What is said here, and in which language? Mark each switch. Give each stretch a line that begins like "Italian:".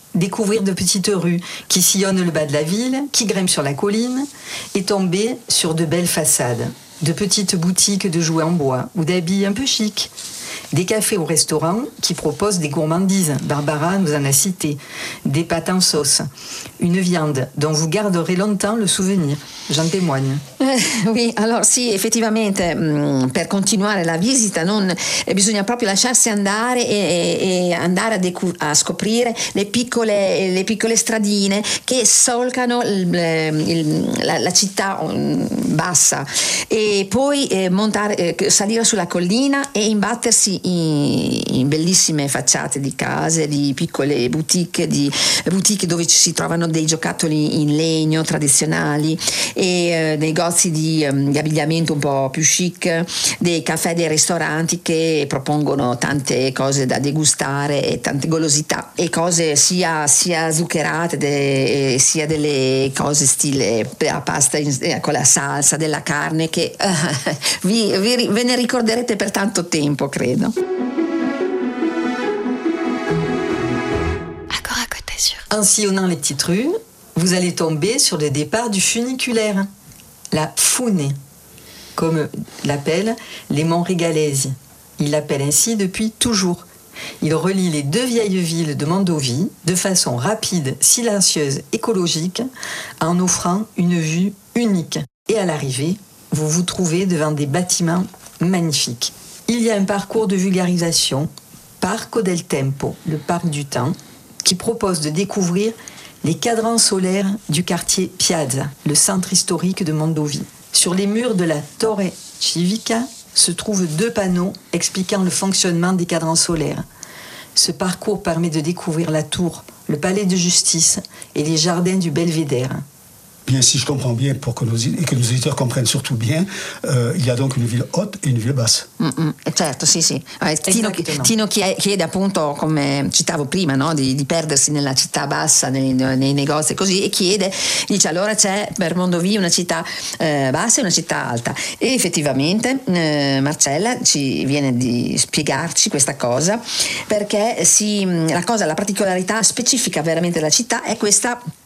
French: Découvrir de petites rues qui sillonnent le bas de la ville, qui grimpent sur la colline, et tomber sur de belles façades. De petites boutiques de jouets en bois ou d'habits un peu chics. Des cafés ou restaurants qui proposent des gourmandises. Barbara nous en a cité. Des pâtes en sauce. Une viande dont vous garderez longtemps le souvenir. J'en témoigne. Oui, alors
Italian: sì, effettivamente, per continuare la visita, non bisogna proprio lasciarsi andare e andare a scoprire le piccole stradine che solcano la città bassa. E poi salire sulla collina e imbattersi in bellissime facciate di case, di piccole boutique, di boutique dove ci si trovano dei giocattoli in legno tradizionali e negozi di abbigliamento un po' più chic, dei caffè, dei ristoranti che propongono tante cose da degustare e tante golosità e cose sia zuccherate sia delle cose stile a pasta con la salsa, della carne che ve ne ricorderete per tanto tempo, credo.
French: Agora Côte d'Azur. En sillonnant les petites rues, vous allez tomber sur le départ du funiculaire, la Fune, comme l'appellent les Montrégalaisi. Ils l'appellent ainsi depuis toujours. Il relie les deux vieilles villes de Mondovie de façon rapide, silencieuse, écologique, en offrant une vue unique. Et à l'arrivée, vous vous trouvez devant des bâtiments magnifiques. Il y a un parcours de vulgarisation, Parco del Tempo, le parc du temps, qui propose de découvrir les cadrans solaires du quartier Piazza, le centre historique de Mondovie. Sur les murs de la Torre Civica se trouvent deux panneaux expliquant le fonctionnement des cadrans solaires. Ce parcours permet de découvrir la tour, le palais de justice et les jardins du Belvédère. Bien, si je comprends bien, pour que nos auditeurs comprennent surtout bien, il y a donc une ville haute et une ville basse.
Italian: Certo, sì. Tino chiede appunto, come citavo prima, no, di perdersi nella città bassa, nei negozi, così, e chiede, dice, allora c'è per Mondovì una città bassa e una città alta. E effettivamente Marcella ci viene di spiegarci questa cosa, perché la particolarità specifica veramente della città è questa